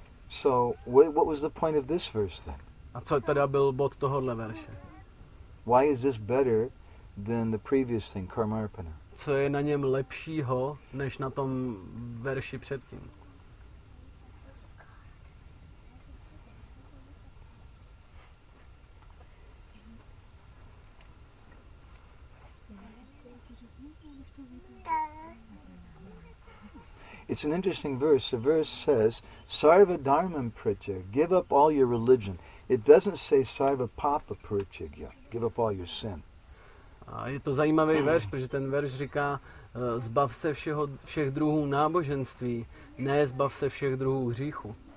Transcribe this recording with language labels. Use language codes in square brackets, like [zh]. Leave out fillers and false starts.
[en] So, what was the point of this verse then? [cs] A co teda byl bod tohohle verše? [en] Why is this better than the previous thing, Karma Arpana? [cs] Co je na něm lepšího, než na tom verši předtím? [en] It's an interesting verse. The verse says, Sarva Dharmam Pritya, give up all your religion. It doesn't say Sarva Papa Pritya, give up all your sin. [cs] A je to zajímavý verš, protože ten verš říká zbav se všech druhů náboženství, ne zbav se všech druhů hříchu.